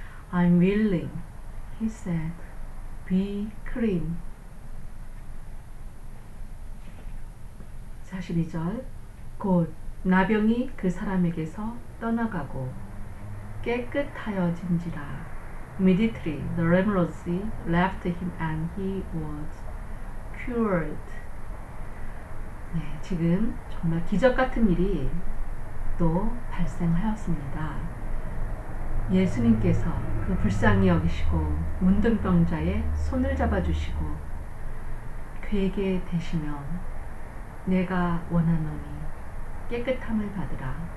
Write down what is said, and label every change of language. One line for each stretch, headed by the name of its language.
English: I'm willing, he said, be clean.
Korean: 42절, 곧 나병이 그 사람에게서 떠나가고 깨끗하여진지라.
English: Immediately, the leprosy left him and he was cured.
Korean: 네, 지금 정말 기적 같은 일이 또 발생하였습니다. 예수님께서 그 불쌍히 여기시고 문둥병자의 손을 잡아주시고 그에게 대시며 내가 원하노니 깨끗함을 받으라.